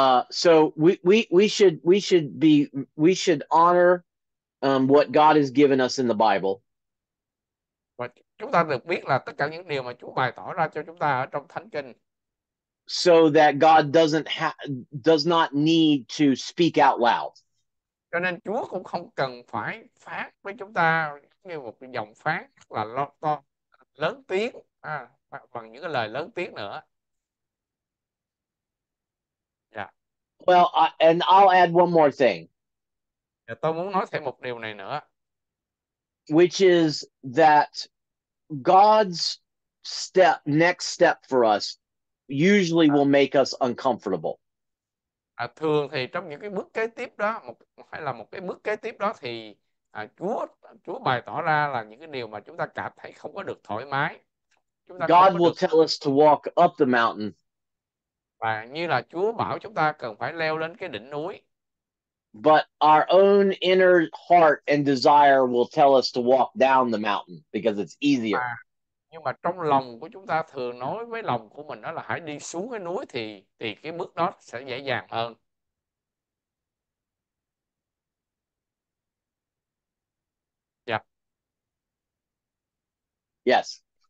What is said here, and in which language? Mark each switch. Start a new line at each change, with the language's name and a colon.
English: So we should honor what God has given us in the Bible.
Vietnamese: Và chúng ta được biết là tất cả những điều mà Chúa bày tỏ ra cho chúng ta ở trong Thánh Kinh.
English: So that God does not need to speak out loud.
Vietnamese: Cho nên Chúa cũng không cần phải phán với chúng ta như một cái giọng phán là lo to lớn tiếng, bằng những cái lời lớn tiếng nữa.
English: Well, and I'll add one more thing,
Vietnamese: Và tôi muốn nói thêm một điều này nữa.
English: which is that God's next step for us usually will make us uncomfortable.
Vietnamese: Thường thì trong những cái bước kế tiếp đó, hay là một cái bước kế tiếp đó thì Chúa bày tỏ ra là những cái điều mà chúng ta cảm thấy không có được thoải mái, chúng ta không
English: God
Vietnamese: có
English: will
Vietnamese: được,
English: tell us to walk up the mountain.
Vietnamese: và như là Chúa bảo chúng ta cần phải leo lên cái đỉnh núi.
English: But our own inner heart and desire will tell us to walk down the mountain because it's easier.
Vietnamese: Nhưng mà trong lòng của chúng ta thường nói với lòng của mình đó là hãy đi xuống cái núi thì cái bước đó sẽ dễ dàng hơn.
English: Yes.